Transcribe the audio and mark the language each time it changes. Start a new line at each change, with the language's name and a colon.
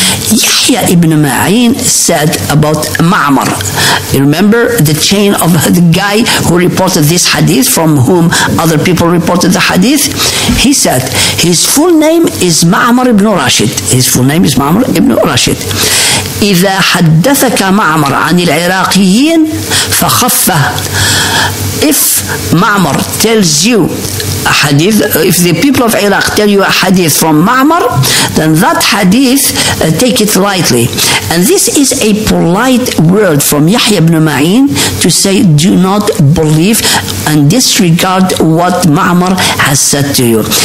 English: Yahya ibn Ma'in said about Ma'mar, you remember the chain of the guy who reported this hadith, from whom other people reported the hadith, he said his full name is Ma'mar ibn Rashid. His full name is Ma'mar ibn Rashid.
Arabic: إذا حدثك معمر عن العراقيين فخفه.
English: If Ma'mar tells you a hadith, if the people of Iraq tell you a hadith from Ma'mar, then that hadith, take it lightly. And this is a polite word from Yahya ibn Ma'in to say, do not believe and disregard what Ma'mar has said to you.